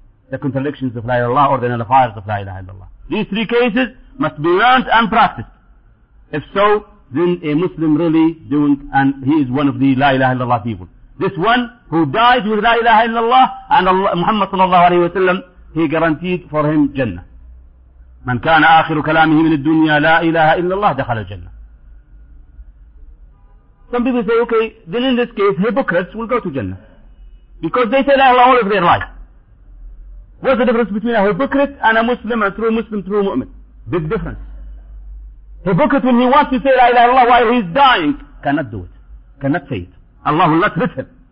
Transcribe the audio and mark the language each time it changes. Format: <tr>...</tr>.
<en>The contradictions of la ilaha illallah or the nullifiers of la ilaha illallah. These three cases must be learned and practiced. If so, then a Muslim really doing, and he is one of the la ilaha illallah people. This one who died with la ilaha illallah and Allah, Muhammad sallallahu alayhi wa sallam, he guaranteed for him Jannah.</en> <ar>من كان آخر كلامه من الدنيا لا إله إلا الله دخل الجنة.</ar> <en>Some people say, okay, then in this case, hypocrites will go to Jannah. Because they say la ilaha all of their life. What's the difference between a hypocrite and a Muslim, a true Muslim, true mu'min? Big difference. Hypocrite, when he wants to say la ilaha illallah while he's dying, cannot do it. Cannot say it. Allah will not let him.</en>